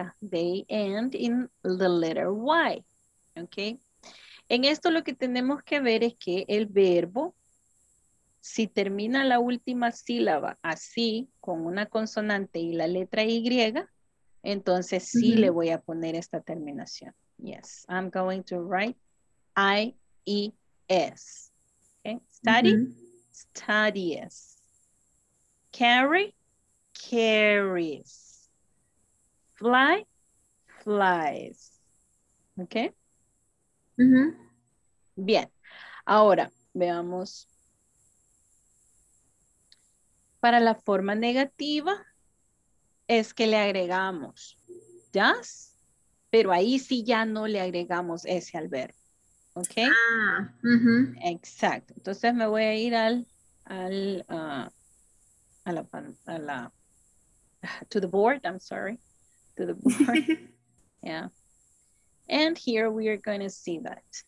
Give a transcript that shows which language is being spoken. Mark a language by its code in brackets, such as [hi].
[en] They end in the letter Y. Ok. [es] En esto lo que tenemos que ver es que el verbo, si termina la última sílaba así, con una consonante y la letra Y, entonces sí le voy a poner esta terminación. [en] Yes, I'm going to write I-E-S. Okay, study, studies. Carry, carries. Fly, flies. Okay? [es] Bien, ahora veamos. Para la forma negativa, es que le agregamos does. Pero ahí sí ya no le agregamos S al verbo. ¿Ok? Ah, exacto. Entonces me voy a ir al al a la [en] to the board, I'm sorry, to the board. Yeah. And here we are going to see that.